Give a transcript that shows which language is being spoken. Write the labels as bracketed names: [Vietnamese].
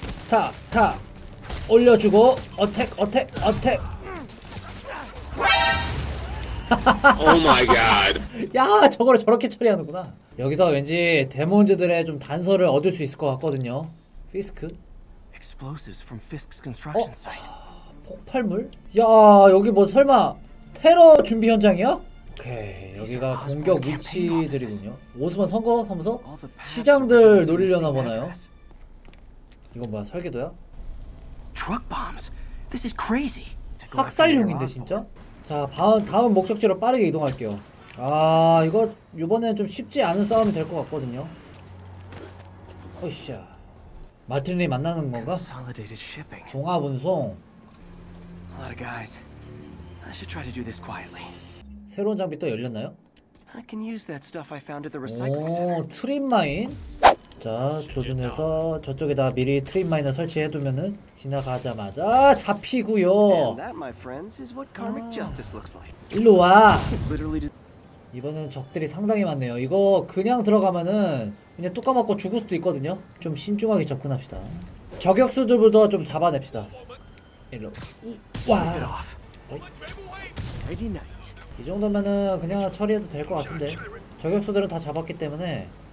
[Korean] 타, 타. 올려주고, 어택, 어택, 어택. [English] Oh my God. [Korean] 야, 저걸 저렇게 처리하는구나. 여기서 왠지 데몬즈들의 좀 단서를 얻을 수 있을 것 같거든요. 피스크? [English] Explosives from Fisk's construction site. [Korean] 폭발물? 야, 여기 뭐 설마 테러 준비 현장이야? 오케이, 여기가 공격 위치들이군요. 오스만 선거 사무소? 시장들 노리려나 보나요? 이건 뭐야, 설계도야? [English] Truck bombs. This is crazy. [Korean] 학살용인데 진짜? 자, 다음 목적지로 빠르게 이동할게요. 아, 이거 이번엔 좀 쉽지 않은 싸움이 될것 같거든요. 어이샤, 마틴이 만나는 건가? [English] Consolidated shipping. [Korean] 종합운송. [English] A lot of guys. I should try to do this quietly. [Korean] 새로운 장비 또 열렸나요? [English] I can use that stuff I found at the recycling 오, center. [Korean] 트립마인. 자, 조준해서 저쪽에다 미리 트립마인을 설치해두면은 지나가자마자 잡히구요. [English] And that, my friends, is what karmic justice looks like. [Korean] 일로 와. [English] Literally. [Korean] 이번엔 적들이 상당히 많네요. 이거 그냥 들어가면은 그냥 뚜까 맞고 죽을 수도 있거든요. 좀 신중하게 접근합시다. 저격수들부터 좀 잡아냅시다. 일로 와. 이 정도면은 그냥 처리해도 될것 같은데. 저격수들은 다 잡았기 때문에.